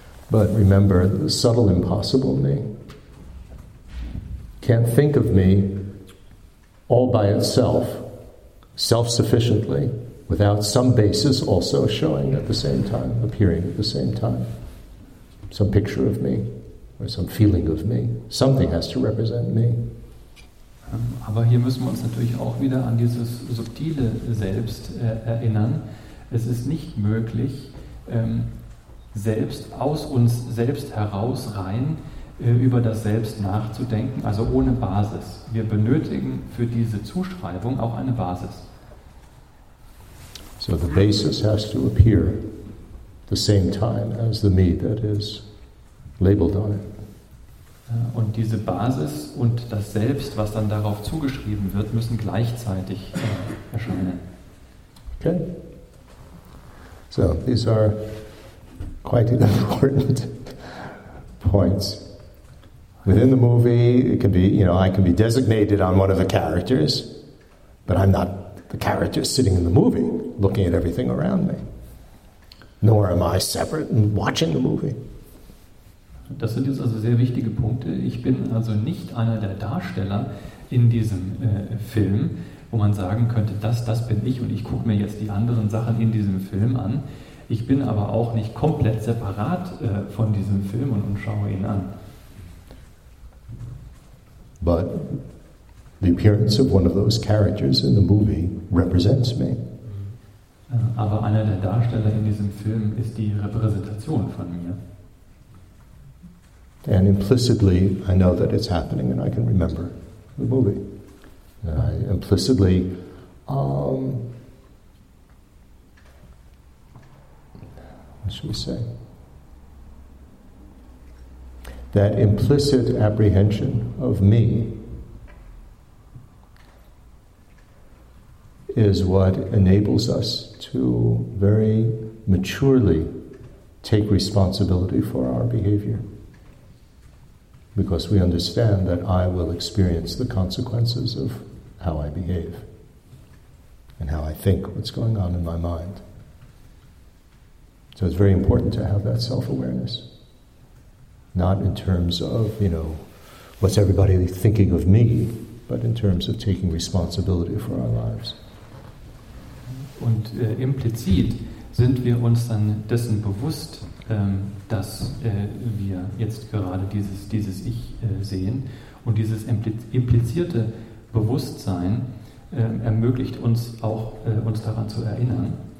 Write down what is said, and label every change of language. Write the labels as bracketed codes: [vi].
[en] But remember, the subtle impossible me can't think of me all by itself, self-sufficiently, without some basis also showing at the same time, appearing at the same time. Some picture of me, or some feeling of me. Something has to represent me. [de] Aber hier müssen wir uns natürlich auch wieder an dieses subtile Selbst erinnern. Es ist nicht möglich, selbst aus uns selbst heraus rein über das Selbst nachzudenken, also ohne Basis. Wir benötigen für diese Zuschreibung auch eine Basis. [en] So the basis has to appear the same time as the me that is labeled on it. [de] Und diese Basis und das Selbst, was dann darauf zugeschrieben wird, müssen gleichzeitig erscheinen. [en] Okay. So, these are quite important points. Within the movie, it can be, you know, I can be designated on one of the characters, but I'm not the character sitting in the movie, looking at everything around me. Nor am I separate and watching the movie. [de] Das sind jetzt also sehr wichtige Punkte. Ich bin also nicht einer der Darsteller in diesem Film, wo man sagen könnte, das bin ich und ich gucke mir jetzt die anderen Sachen in diesem Film an. Ich bin aber auch nicht komplett separat von diesem Film und schaue ihn an. [en] But the appearance of one of those characters in the movie represents me. [de] Aber einer der Darsteller in diesem Film ist die Repräsentation von mir. [en] And implicitly, I know that it's happening and I can remember the movie. That implicit apprehension of me is what enables us to very maturely take responsibility for our behavior. Because we understand that I will experience the consequences of how I behave and how I think, what's going on in my mind. So it's very important to have that self-awareness. Not in terms of, you know, what's everybody thinking of me, but in terms of taking responsibility for our lives. [de] Und implizit sind wir uns dann dessen bewusst, dass wir jetzt gerade dieses Ich sehen. Und dieses implizierte Bewusstsein ermöglicht uns auch, uns daran zu erinnern.